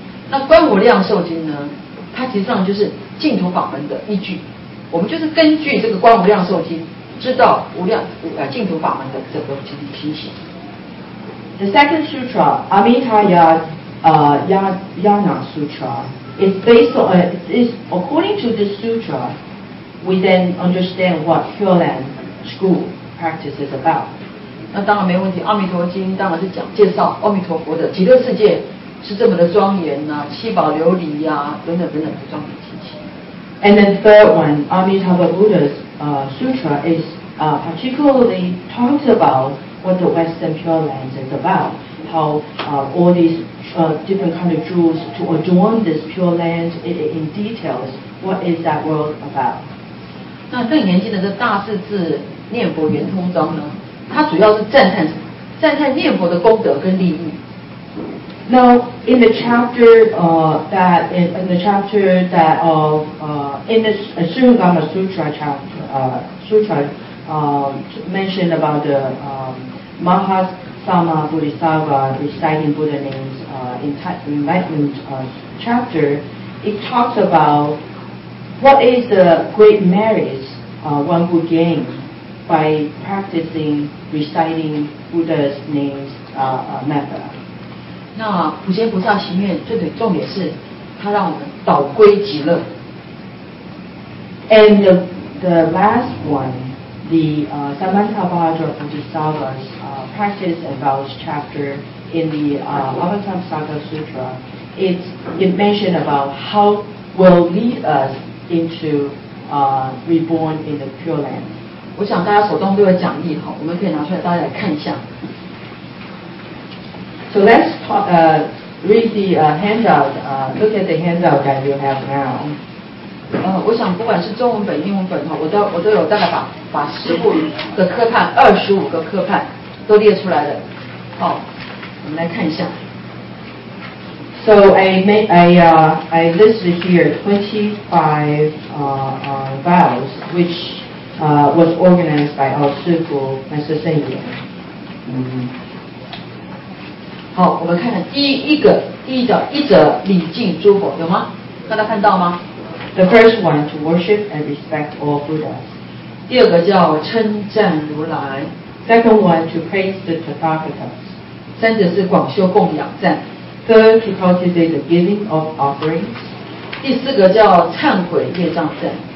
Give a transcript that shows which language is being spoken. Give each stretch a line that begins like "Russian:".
Chinese: 那观无量寿经呢，它其实上就是净土法门的依据。我们就是根据这个观无量寿经知道无量净土法门的这个情形。
English: The second sutra, Amitāya Yāna Sutra, is based on is according to this sutra, we then understand what Pure Land School practice is about.
Chinese: 那当然没问题，阿弥陀经当然是讲介绍阿弥陀佛的极乐世界是这么的庄严呐、啊，七宝琉璃呀、啊、等等等等的庄严情形。
English: And then third one, Amitābha Buddha's sutra is particularly talks about what the Western Pure Land is about, how all these different kind of jewels to adorn this Pure Land in details, what is that world about?
Chinese: 那更严谨的这大势至念佛圆通章呢，它主要是赞叹念佛的功德跟利益。
English: Now, in the chapter Surungama Sutra mentioned about the Mahasama Bodhisattva reciting Buddha names enlightenment chapter, it talks about what is the great merits one would gain by practicing reciting Buddha's name's metta.
Chinese: 那普贤菩萨行愿最最重点是，他让我们导归极乐。
English: And the last one, the Samantabhadra Bodhisattva's practice about chapter in the Avatamsaka Sutra, it mentioned about how will lead us into reborn in the Pure Land.
Chinese: 我想大家手中都有讲义，我们可以拿出来大家来看一下。
English: So let's read the handout, look at the handout that you have now.
Chinese: 我想不管是中文本英文本我都有大概把十部的科判二十五个科判都列出来了好我们来看一下
English: So I listed here 25 vows which was organized by our 师父 Master Sen Yin
Chinese: 好我们看看第一则礼敬诸佛有吗大家看到吗
English: The first one to worship and respect all Buddhas.
Chinese: 第二个叫称赞如来。
English: Second one to praise the Tathagata.
Chinese: 三者是广修供养赞。
English: Third to cultivate the giving of offerings.
Chinese: 第四个叫忏悔业障赞。